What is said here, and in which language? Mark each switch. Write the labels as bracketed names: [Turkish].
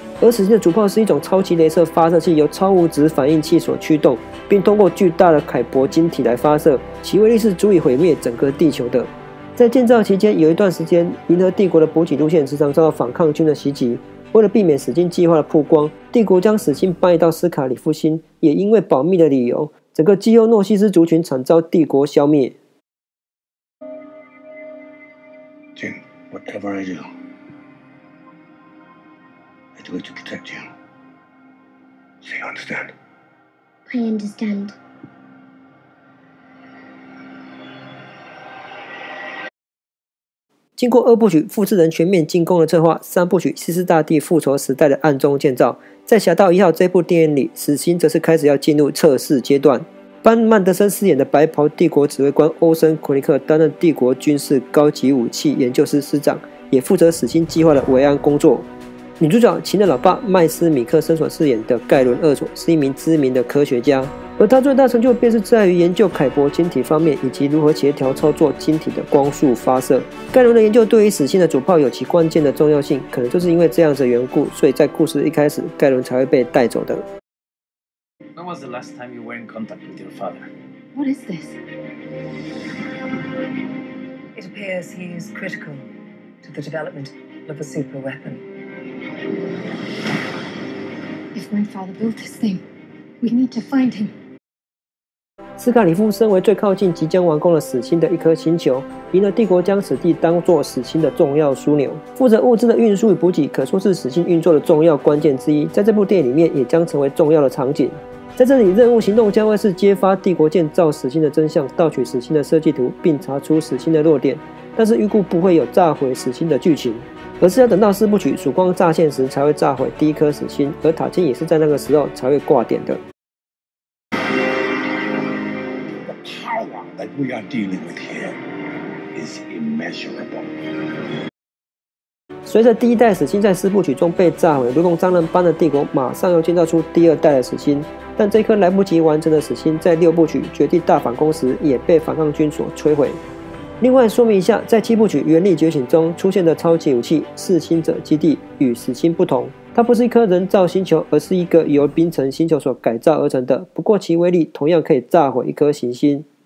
[Chinese] 而死星的主炮是一种超级雷射发射器，由超物质反应器所驱动，并通过巨大的凯伯晶体来发射，其威力是足以毁灭整个地球的。在建造期间，有一段时间，银河帝国的补给路线时常遭到反抗军的袭击。为了避免死星计划的曝光，帝国将死星搬移到斯卡里夫星，也因为保密的理由，整个基欧诺西斯族群惨遭帝国消灭。 [English] Jim, whatever I do, I do it to protect you. So you understand? I understand. [Chinese] 经过二部曲《复制人全面进攻》的策划，三部曲《西斯大帝复仇时代》的暗中建造。在《侠盗一号》这部电影里，死星则是开始要进入测试阶段。班·曼德森饰演的白袍帝国指挥官欧森·奎尼克担任帝国军事高级武器研究师师长，也负责死星计划的维安工作。女主角琴的老爸麦斯·米克森所饰演的盖伦·厄索是一名知名的科学家，而他最大成就便是在于研究凯伯晶体方面以及如何协调操作晶体的光速发射。盖伦的研究对于死星的主炮有其关键的重要性，可能就是因为这样子的缘故，所以在故事一开始盖伦才会被带走的。 [English] When was the last time you were in contact with your father? What is this? It appears he is critical to the development of a super weapon. grandfather built this thing. We need to find him. [Chinese] 斯卡里夫身为最靠近即将完工的死星的一颗星球，银河帝国将此地当作死星的重要枢纽，负责物资的运输与补给，可说是死星运作的重要关键之一，在这部电影里面也将成为重要的场景。在这里，任务行动将会是揭发帝国建造死星的真相，盗取死星的设计图，并查出死星的弱点。但是预估不会有炸毁死星的剧情，而是要等到四部曲曙光乍现时才会炸毁第一颗死星，而塔金也是在那个时候才会挂点的。 [English] The power that we are dealing with here is immeasurable. [Chinese] 随着第一代死星在四部曲中被炸毁，如同蟑螂般的帝国马上又建造出第二代的死星，但这颗来不及完成的死星在六部曲绝地大反攻时也被反抗军所摧毁。另外说明一下，在七部曲原力觉醒中出现的超级武器四星者基地与死星不同，它不是一颗人造星球，而是一个由冰城星球所改造而成的，不过其威力同样可以炸毁一颗行星。